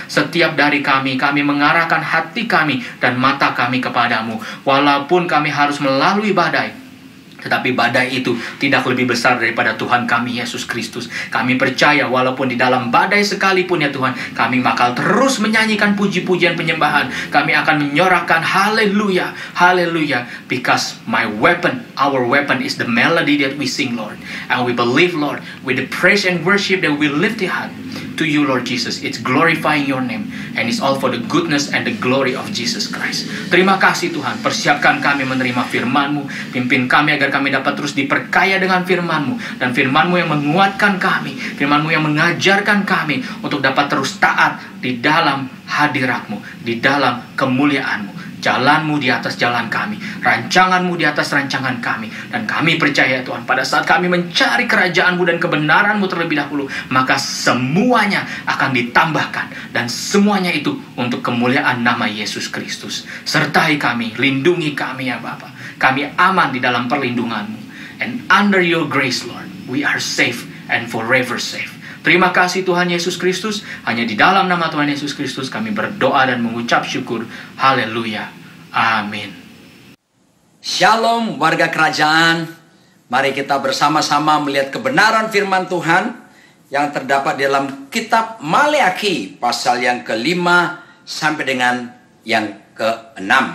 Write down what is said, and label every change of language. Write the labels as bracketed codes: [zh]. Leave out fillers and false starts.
[id] Setiap dari kami, kami mengarahkan hati kami dan mata kami kepada-Mu, walaupun kami harus melalui badai. Tetapi badai itu tidak lebih besar daripada Tuhan kami, Yesus Kristus. Kami percaya walaupun di dalam badai sekalipun, ya Tuhan, kami bakal terus menyanyikan puji-pujian penyembahan. Kami akan menyorakan haleluya, haleluya. [en] Because my weapon, our weapon is the melody that we sing, Lord. And we believe, Lord, with the praise and worship that we lift it up to you, Lord Jesus. It's glorifying your name. And it's all for the goodness and the glory of Jesus Christ. [id] Terima kasih, Tuhan. Persiapkan kami menerima firman-Mu. Pimpin kami agar kami dapat terus diperkaya dengan firman-Mu. Dan firman-Mu yang menguatkan kami. Firman-Mu yang mengajarkan kami untuk dapat terus taat di dalam hadirat-Mu. Di dalam kemuliaan-Mu. Jalan-Mu di atas jalan kami. Rancangan-Mu di atas rancangan kami. Dan kami percaya, Tuhan, pada saat kami mencari kerajaan-Mu dan kebenaran-Mu terlebih dahulu, maka semuanya akan ditambahkan. Dan semuanya itu untuk kemuliaan nama Yesus Kristus. Sertai kami, lindungi kami, ya Bapa. Kami aman di dalam perlindungan-Mu. [en] And under your grace, Lord, we are safe and forever safe. [id] Terima kasih, Tuhan Yesus Kristus. Hanya di dalam nama Tuhan Yesus Kristus kami berdoa dan mengucap syukur. Haleluya. Amin. Shalom warga kerajaan. Mari kita bersama-sama melihat kebenaran firman Tuhan yang terdapat dalam kitab Maleakhi pasal yang kelima sampai dengan yang keenam.